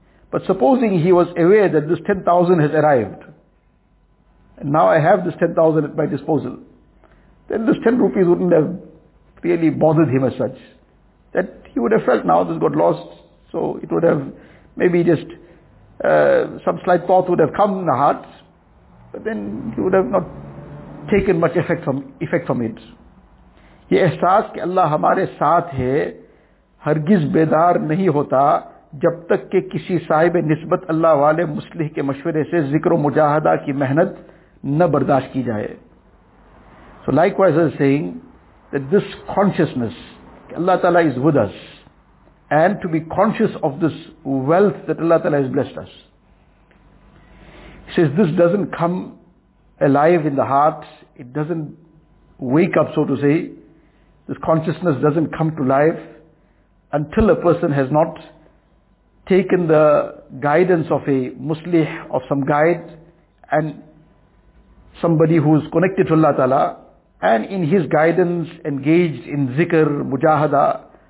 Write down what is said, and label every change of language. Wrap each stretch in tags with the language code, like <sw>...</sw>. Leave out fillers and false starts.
<en>But supposing he was aware that this 10,000 has arrived, and now I have this 10,000 at my disposal, then this 10 rupees wouldn't have really bothered him as such. That he would have felt now this got lost, so it would have maybe just some slight thought would have come in the heart, but then he would have not taken much effect from it.</en> <ur>Ye ehsaas ke Allah hamare saath hai, hargiz bedar nahi hota, جب تک کہ کسی صاحب نسبت اللہ والے مصلح کے مشورے سے ذکر و مجاہدہ کی محنت نہ برداشت کی جائے.</ur> <en>So likewise I'm saying that this consciousness, Allah Ta'ala is with us, and to be conscious of this wealth that Allah Ta'ala has blessed us. He says this doesn't come alive in the heart, it doesn't wake up, so to say, this consciousness doesn't come to life until a person has not taken the guidance of a muslih, of some guide, and somebody who is connected to Allah Ta'ala, and in his guidance engaged in zikr, mujahada.</en>